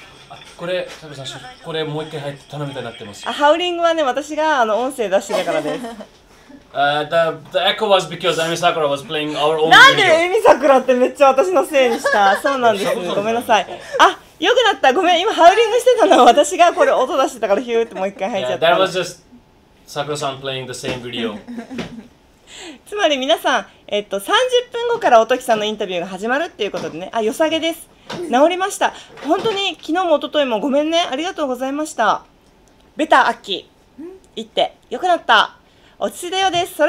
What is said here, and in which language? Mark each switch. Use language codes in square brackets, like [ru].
[ja] あ、これ、タビさん、これもう一回入って頼みたいになってます。あ、ハウリングはね、私があの音声出してたからです。 [en] the echo was because Amy Sakura was playing our own [ja] video. なんで Amy Sakura ってめっちゃ私のせいにした。そうなんです、ごめんなさい。あ、良くなった、ごめん、今ハウリングしてたの私がこれ音出してたからヒューってもう一回入っちゃった。 [en] yeah, that was just Sakura-san playing the same video. [ja] つまり皆さん、30分後からおときさんのインタビューが始まるっていうことでね。あ、良さげです、治りました。本当に昨日も一昨日もごめんね、ありがとうございました。ベターアッキー言ってよくなった、落ち着いたようです。